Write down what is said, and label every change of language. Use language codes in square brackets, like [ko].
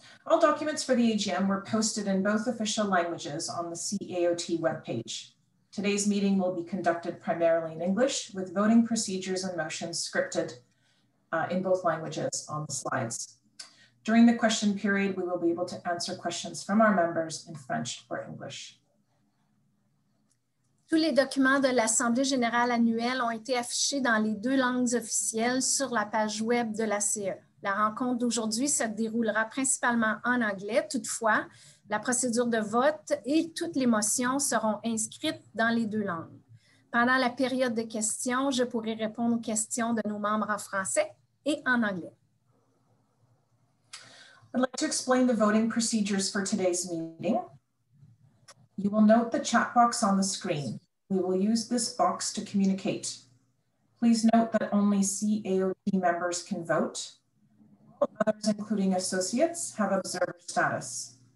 [en] All documents for the AGM were posted in both official languages on the CAOT webpage. Today's meeting will be conducted primarily in English, with voting procedures and motions scripted in both languages on the slides. During the question period, we will be able to answer questions from our members in French or English. [fr] Tous les documents de l'Assemblée générale annuelle ont été affichés dans les deux langues officielles sur la page web de la CE. La rencontre d'aujourd'hui se déroulera principalement en anglais. Toutefois, la procédure de vote et toutes les motions seront inscrites dans les deux langues. Pendant la période de questions, je pourrai répondre aux questions de nos membres en français et en anglais. [en] I'd like to explain the voting procedures for today's meeting. You will note the chat box on the screen. We will use this box to communicate. Please note that only CAOT members can vote. All others, including associates, have observer status.